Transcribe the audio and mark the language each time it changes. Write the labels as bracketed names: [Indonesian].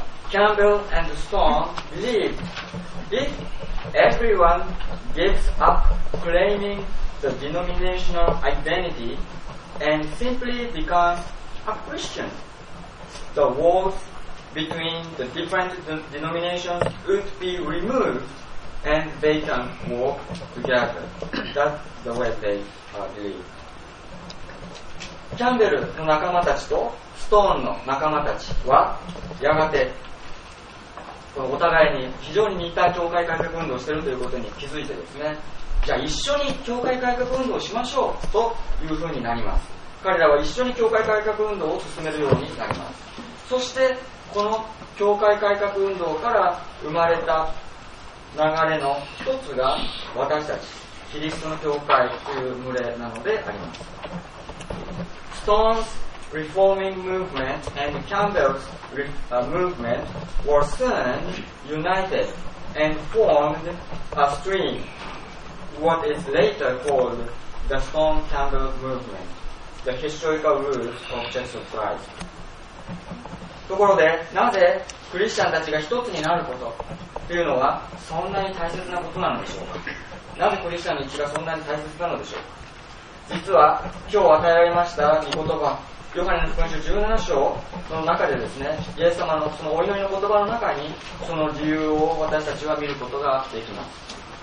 [English] Campbell and Stone believed if everyone gives up claiming the denominational identity and simply becomes a Christian, the walls between the different denominations would be removed and they can walk together. That's the way they believe. [Japanese] Campbell の仲間たちと Stone の仲間たちはやがてお互いに非常に似た教会改革運動をしているということに気づいてですね、じゃあ一緒に教会改革運動をしましょうというふうになります。彼らは一緒に教会改革運動を進めるようになります。そしてこの教会改革運動から生まれた流れの一つが私たちキリストの教会という群れなのであります。 [English] Stone's Reforming Movement and Campbell'smovement were soon united and formed a stream, what is later called the Stone-Campbell Movement, the historical roots of Jesus Christ. [Japanese] ところで、なぜクリスチャンたちが一つになることというのはそんなに大切なことなのでしょうか。なぜクリスチャンの一致がそんなに大切なのでしょうか。実は今日与えられました御言葉ヨハネの福音書17章その中でですね、イエス様のそのお祈りの言葉の中にその理由を私たちは見ることができます。